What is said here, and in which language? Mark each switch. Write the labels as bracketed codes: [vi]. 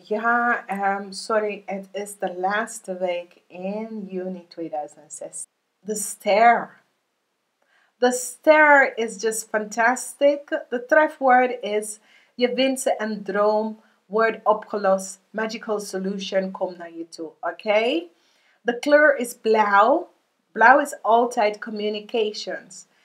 [nl] Ja, sorry, het is de laatste week in juni 2016. [en] The Stier. The Stier is just fantastic. [nl] The trefwoord is je wensen en droom word opgelost. [en] Magical solution [nl] komt naar je toe, okay? The kleur is blauw. Blauw is altijd communications.